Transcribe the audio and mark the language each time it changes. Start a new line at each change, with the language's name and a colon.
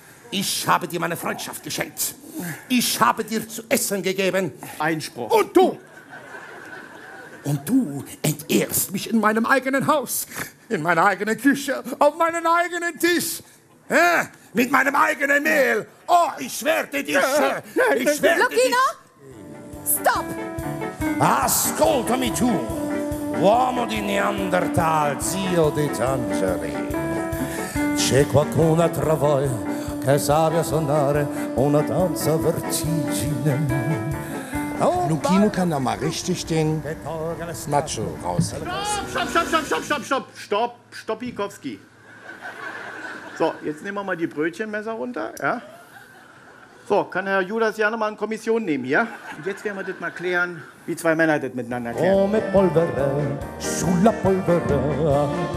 German: Ich habe dir meine Freundschaft geschenkt. Ich habe dir zu essen gegeben. Einspruch. Und du? Und du entehrst mich in meinem eigenen Haus, in meiner eigenen Küche, auf meinen eigenen Tisch. Mit meinem eigenen Mehl. Oh, ich werde dir... Lucchino! Stop!
Italian: Ascoltami tu, uomo di Neandertal, zio di Tangeri. C'è qualcuno tra voi che sappia suonare una danza vertigine.
German: Lucchino kann da mal richtig den Macho raus. Stopp, Stoppikowski. So, jetzt nehmen wir mal die Brötchenmesser runter, ja? So, kann Herr Judas ja nochmal eine Kommission nehmen, ja? Und jetzt werden wir das mal klären, wie zwei Männer das miteinander klären.
Italian: Come polvere, sulla polvere.